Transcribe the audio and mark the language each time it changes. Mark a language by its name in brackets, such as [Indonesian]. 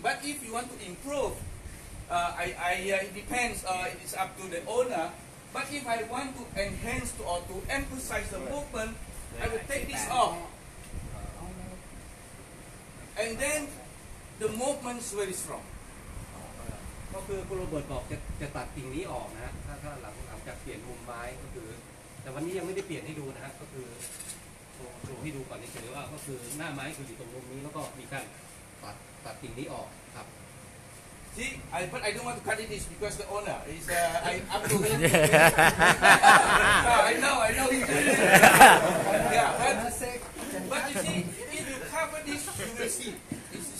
[English] But if you want to improve, it depends. It's up to the owner. But if I want to enhance or to emphasize the movement,I will take this off, and then the movement is very strong. [Thai] ก็คือคุณโรเบิร์ตบอกจะตัดกิ่งนี้ออกนะฮะถ้าหลังจากเปลี่ยนมุมไม้ก็คือแต่วันนี้ยังไม่ได้เปลี่ยนให้ดูนะฮะก็คือโชว์ให้ดูก่อนเฉยๆว่าก็คือหน้าไม้คืออยู่ตรงมุมนี้แล้วก็มีการตัดกิ่งนี้ออกครับ [English] See, but I don't want to cut this because the owner is up to him. I know. Yeah, but you see, if you cover this, you will see. You